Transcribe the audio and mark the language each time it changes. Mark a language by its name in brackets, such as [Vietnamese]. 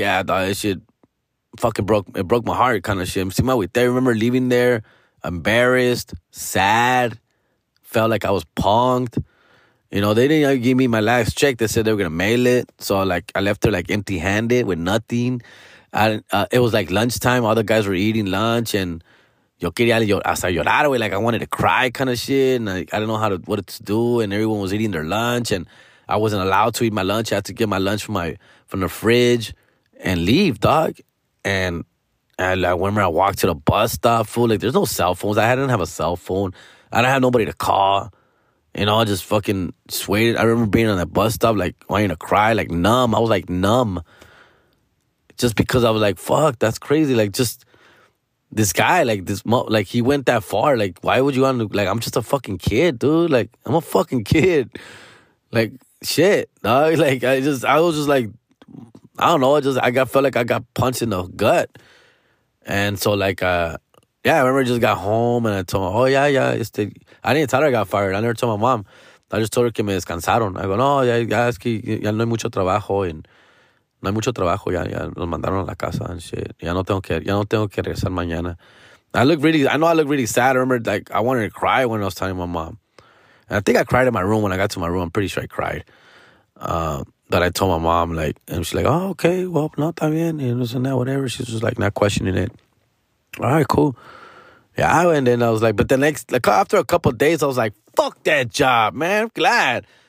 [English] Yeah, dog, that shit fucking broke. It broke my heart kind of shit. See, my way there. I remember leaving there embarrassed, sad, felt like I was punked. You know, they didn't even give me my last check. They said they were going to mail it. So, like, I left her, like, empty-handed with nothing. It was, like, lunchtime. All the guys were eating lunch. [Spanish] And yo quería hasta llorar, güey. [English] Like, I wanted to cry kind of shit. And like, I didn't know how to what to do. And everyone was eating their lunch. And I wasn't allowed to eat my lunch. I had to get my lunch from the fridge and leave, dog. And I remember I walked to the bus stop, fool. Like, there's no cell phones. I didn't have a cell phone. I didn't have nobody to call. You know, I just fucking swayed. I remember being on that bus stop, like, wanting to cry, like, numb. I was, like, numb. Just because I was like, fuck, that's crazy. Like, just this guy, like, this, like, he went that far. Like, why would you want to, like, I'm just a fucking kid, dude. Like, I'm a fucking kid. Like, shit, dog. Like, I was just like, I don't know. I felt like I got punched in the gut. And so, like, yeah, I remember I just got home and I told her, oh, yeah, yeah. I didn't tell her I got fired. I never told my mom. I just told her [Spanish] que me descansaron. [English] I go, [Spanish] no, ya, ya, es que ya no hay mucho trabajo. And no hay mucho trabajo. Ya nos mandaron a la casa [English] and shit. [Spanish] Ya no tengo que regresar mañana. [English] I know I look really sad. I remember, like, I wanted to cry when I was telling my mom. And I think I cried in my room when I got to my room. I'm pretty sure I cried. But I told my mom, like, and she's like, oh, okay, well, [Spanish] no, está bien. [English] And this and that, whatever. She's just, like, not questioning it. All right, cool. Yeah, and then I was like, but the next, like, after a couple of days, I was like, fuck that job, man. I'm glad.